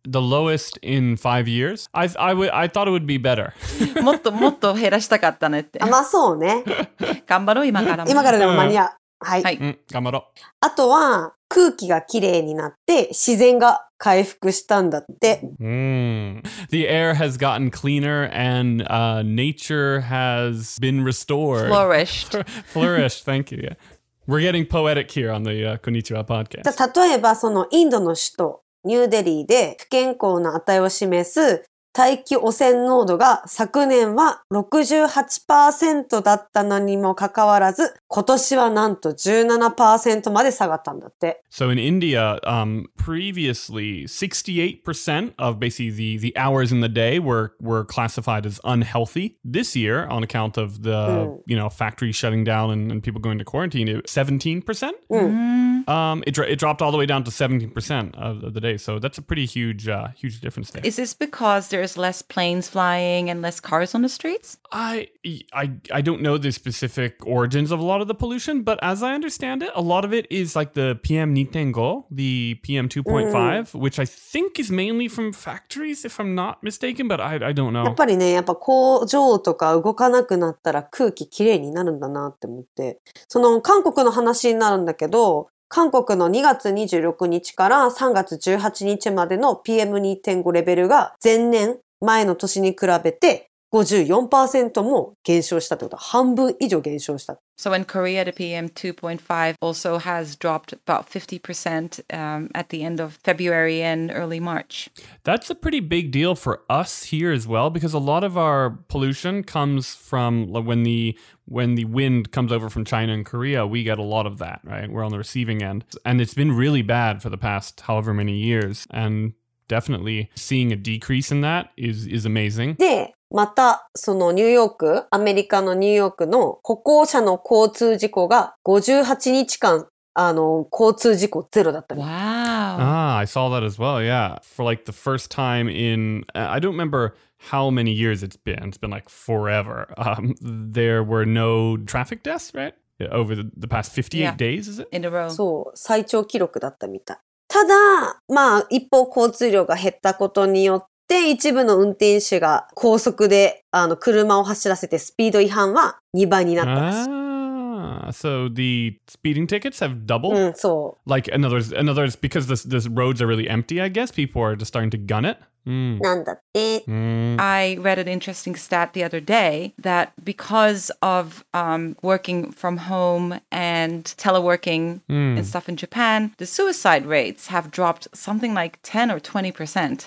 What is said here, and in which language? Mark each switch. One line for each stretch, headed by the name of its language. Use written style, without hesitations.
English: The lowest in 5 years? I thought it would be better.
Japanese: もっともっと減らしたかったねって。あ、まあそうね。頑張ろう、今からも。今からでも間に合う。はい。はい、うん、頑張ろう。あとは、空気がきれいになって、自然が回復したんだって。うん。
English: The air has gotten cleaner and nature has been restored. Flourished. Flourished, thank you. We're getting poetic here on the Konnichiwa podcast.
Japanese: 例えば、そのインドの首都、ニューデリーで不健康な値を示す大気汚染濃度が昨年は 68% だったのにもかかわらず、今年はなんと 17% まで下がったんだって。
English: So in India, previously 68% of basically the hours in the day were classified as unhealthy. This year, on account of the, you know, factory shutting down and people going to quarantine, it was 17%? It dropped all the way down to 17% of the day. So that's a pretty huge, huge difference there. Is this because there's less planes flying and less cars on the streets? I don't know the specific origins of a lot of the pollution, but as I understand it, a lot of it is like the PM2.5, the PM2.5, which I think is mainly from factories, if I'm not mistaken, but I don't know.
Japanese: やっぱりね、やっぱ工場とか動かなくなったら空気きれいになるんだなって思って。その韓国の話になるんだけど、韓国の2月26日から3月18日までの PM2.5 レベルが前年前の年に比べて 54% も減少したということ。半分以上減少した。
English: So in Korea, the PM2.5 also has dropped about 50% at the end of February and early March. That's a pretty big deal for us here as well, because a lot of our pollution comes from when the wind comes over from China and Korea, we get a lot of that, right? We're on the receiving end. And it's been really bad for the past however many years. And definitely seeing a decrease in that is amazing.
Japanese: で、またそのニューヨーク、アメリカのニューヨークの歩行者の交通事故が58日間あの交通事故ゼロだったの。Wow.
English: Ah, I saw that as well, yeah. For like the first time in, I don't remember how many years it's been like forever. There were no traffic deaths, right? Over the past 58 yeah. days, is it? In a row.
Japanese: そう、最長記録だったみたい。ただ、まあ一方交通量が減ったことによって一部の運転手が高速であの車を走らせてスピード違反は2倍になったらしい。
English: So the speeding tickets have doubled?
Japanese: うん、そう。
English: Like, in other words, because the roads are really empty, I guess, people are just starting to gun it?
Japanese: Mm. なんだって。
English: I read an interesting stat the other day that because of working from home and teleworking and stuff in Japan, the suicide rates have dropped something like 10 or 20%.